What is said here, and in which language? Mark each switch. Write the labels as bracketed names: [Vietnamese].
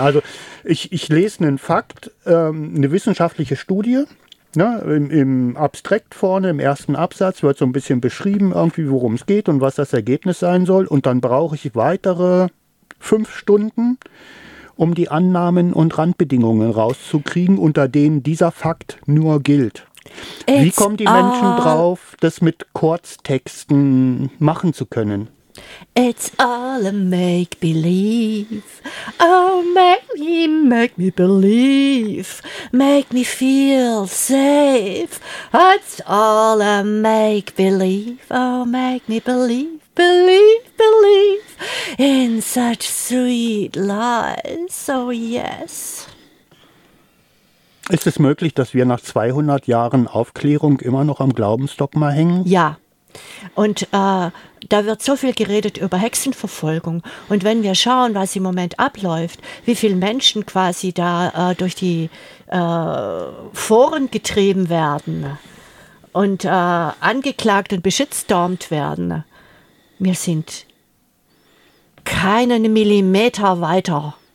[German] Also ich lese einen Fakt, eine wissenschaftliche Studie, ne, im Abstrakt vorne, im ersten Absatz wird so ein bisschen beschrieben, irgendwie, worum es geht und was das Ergebnis sein soll. Und dann brauche ich weitere 5 Stunden, um die Annahmen und Randbedingungen rauszukriegen, unter denen dieser Fakt nur gilt. Jetzt, wie kommen die Menschen drauf, das mit Kurztexten machen zu können? [English] It's all a make-believe. Oh, make me make me believe, make me feel safe. It's all a make-believe, oh, make me believe, believe, believe in such sweet lies, oh yes. [German] Ist es möglich, dass wir nach 200 Jahren Aufklärung immer noch am Glaubensdogma hängen? Ja. Und da wird so viel geredet über Hexenverfolgung. Und wenn wir schauen, was im Moment abläuft, wie viele Menschen quasi da durch die Foren getrieben werden und angeklagt und beschitztormt werden, wir sind keinen Millimeter weiter.